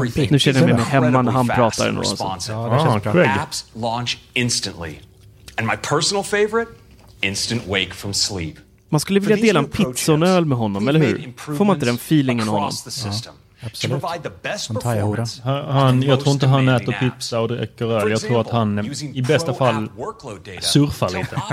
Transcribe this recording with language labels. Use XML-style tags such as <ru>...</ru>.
<sv>Nu känner jag mig med hemma när han pratar. Ja,</sv> <en>apps launch instantly. And my personal favorite, instant wake from sleep.</en> <sv>Man skulle vilja dela en pizza och en öl med honom, eller hur? Får man inte den feelingen av honom? Absolut. Jag tror inte han äter pizza och dricker öl. Jag tror att han i bästa fall surfar lite.</sv>